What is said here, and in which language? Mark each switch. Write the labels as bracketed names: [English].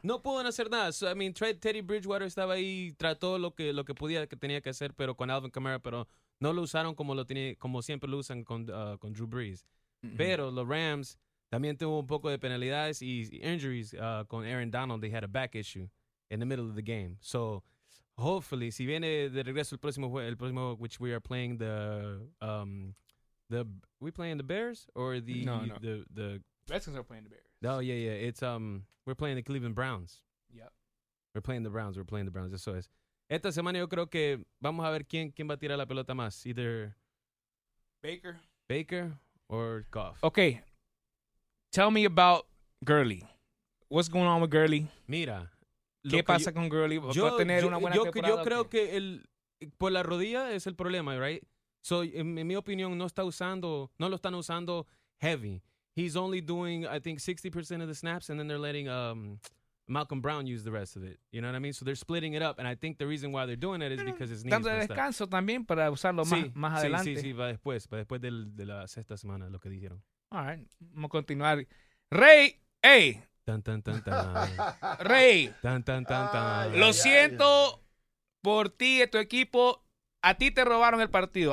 [Spanish] No pudieron hacer nada. [English] So, I mean, [Spanish] Teddy Bridgewater estaba ahí, trató lo que podía, que tenía que hacer, pero con Alvin Kamara, pero no lo usaron como siempre lo usan con Drew Brees. Mm-hmm. Pero los Rams también tuvo un poco de penalidades y injuries con Aaron Donald. [English] They had a back issue in the middle of the game. So, hopefully, [Spanish] si viene de regreso el próximo, [English] which we are playing we playing the Bears or the no, no. the Redskins are playing the Bears. Oh yeah, yeah. It's we're playing the Cleveland Browns. Yep. We're playing the Browns. [Spanish] Eso es. Esta semana yo creo que vamos a ver quién va a tirar la pelota más. [English] Either Baker or Goff. Okay. Tell me about Gurley. What's going on with Gurley? [Spanish] Mira. ¿Qué pasa con Gurley? Yo, tener una buena temporada, yo creo que por la rodilla es el problema, right? So, en mi opinión, no lo están usando heavy. [English] He's only doing, I think, 60% of the snaps, and then they're letting Malcolm Brown use the rest of it. You know what I mean? So they're splitting it up, and I think the reason why they're doing it is because his knees. [Spanish] Dando descanso también para usarlo más adelante. Sí, después de la sexta semana, lo que dijeron. [English] All right, [Spanish] vamos a continuar. Rey, hey. Tan, tan, tan, tan. Rey, tan, tan, tan, tan. Lo siento por ti y tu equipo. A ti te robaron el partido.